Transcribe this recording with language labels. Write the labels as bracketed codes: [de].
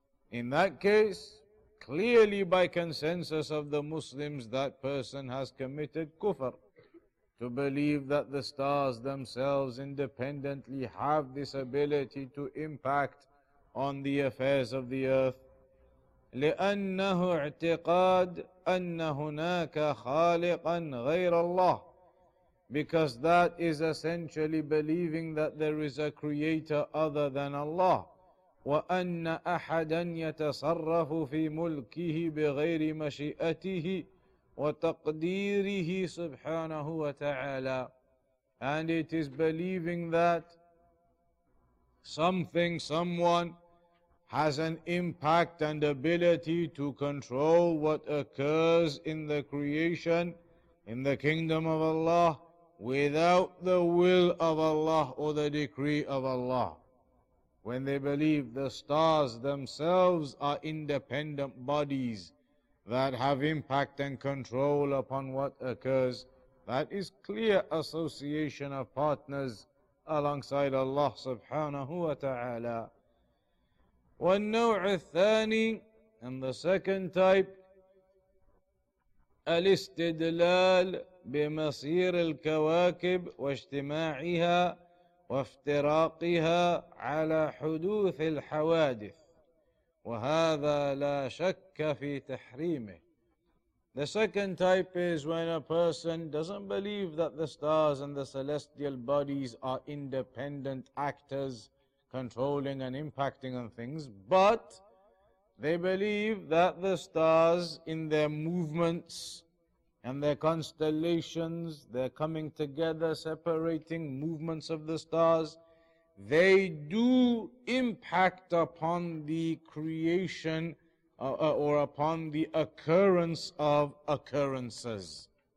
[en] In that case, clearly by consensus of the Muslims, that person has committed kufr. To believe that the stars themselves independently have this ability to impact on the affairs of the earth. [ar] لأنه اعتقاد أن هناك خالقا غير الله. [en] Because that is essentially believing that there is a creator other than Allah. [ar] وأن أحدا يتصرف في ملكه بغير مشيئته وَتَقْدِيرِهِ سُبْحَانَهُ وَتَعَالَى. [en] And it is believing that something, someone has an impact and ability to control what occurs in the creation, in the kingdom of Allah, without the will of Allah or the decree of Allah. When they believe the stars themselves are independent bodies that have impact and control upon what occurs, that is clear association of partners alongside Allah subhanahu wa ta'ala. [ar] وَالنَّوْعِ الثَّانِي, [en] and the second type, [ar] الاستدلال بمصير الكواكب واجتماعها وافتراقها على حدوث الحوادث وهذا لا شك في تحريمه. [en] The second type is when a person doesn't believe that the stars and the celestial bodies are independent actors controlling and impacting on things, but they believe that the stars in their movements and their constellations, their coming together, separating movements of the stars, they do impact upon the creation or upon the occurrence of occurrences.